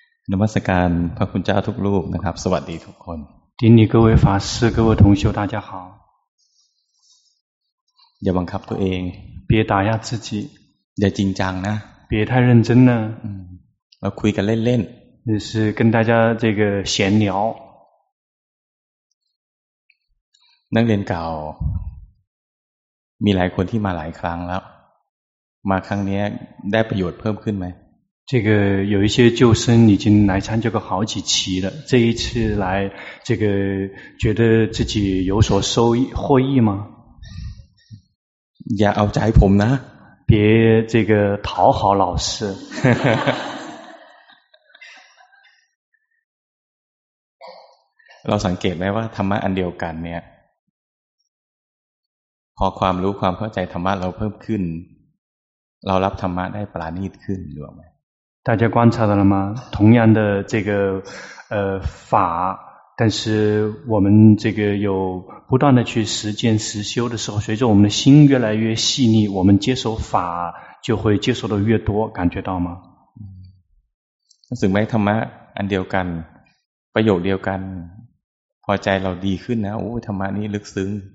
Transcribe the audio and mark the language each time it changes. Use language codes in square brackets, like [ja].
[th] นมัสการพระคุณเจ้าทุกรูปนะครับสวัสดีทุกคน [zh] ทีนี้各位法师各位同修大家好 [th] อย่าบังคับตัวเอง [zh] 别打压自己 [th] อย่าจริงจังนะ [zh] 别太认真了 [th] เราคุยกันเล่น [zh] ๆ就是跟大家这个闲聊 [th] นักเรียนเก่ามีหลายคนที่มาหลายครั้งแล้วมาครั้งนี้ได้ประโยชน์เพิ่มขึ้นไหม [zh] 这个有一些旧生已经来参加过好几期了，这一次来，这个觉得自己有所收益获益吗？ [th] อย่าเอาใจผมนะ [zh] 别这个讨好老师。 [th] เราสังเกตไหมว่าธรรมะอันเดียวกันเนี่ยพอความรู้ความเข้าใจธรรมะเราเพิ่มขึ้นเรารับธรรมะได้ปราณีตขึ้นรู้ไหม [zh] 大家观察到了吗？同样的这个法，但是我们这个有不断的去实践实修的时候，随着我们的心越来越细腻，我们接受法就会接受的越多，感觉到吗？ [th] สิ่งไม่ธรรมะอันเดียวกันประโยคเดียวกันพอใจเราดีขึ้นนะโอ้ธรรมะนี้ลึกซึ้ง